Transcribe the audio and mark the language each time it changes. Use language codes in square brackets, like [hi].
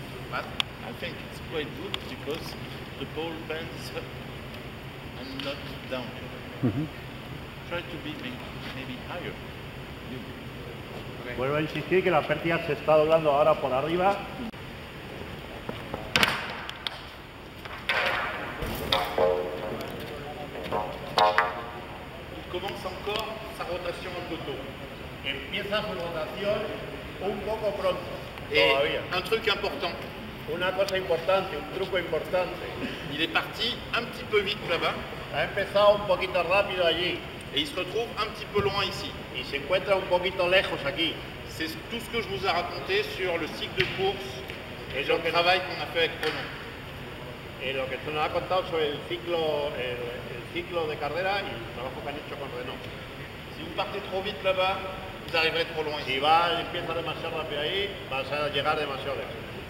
[en] But I think it's quite good because the pole bends up and not down. Mm-hmm. Try to be maybe higher. [es] Vuelvo a insistir que la pértiga se está doblando ahora por arriba. [fr] Il commence encore sa rotation un peu tôt. [es] Empieza su rotación. Un poco pronto. [fr] Et un truc important. [es] Una cosa importante, un truco importante. [fr] Il est parti un petit peu vite là-bas. [es] Ha empezado un poquito rápido allí. [fr] Et il se retrouve un petit peu loin ici. [es] Y se encuentra un poquito lejos aquí. [fr] C'est tout ce que je vous ai raconté sur le cycle de course et sur le travail qu'on a fait avec Pronon. [es] Et lo que tú nos has contado sobre el ciclo de carrera y el trabajo que han hecho con Renault. [fr] Si vous partez trop vite là-bas, vous arriverez trop loin. [es] Si va, empieza demasiado rápido ahí, vas a llegar demasiado lejos.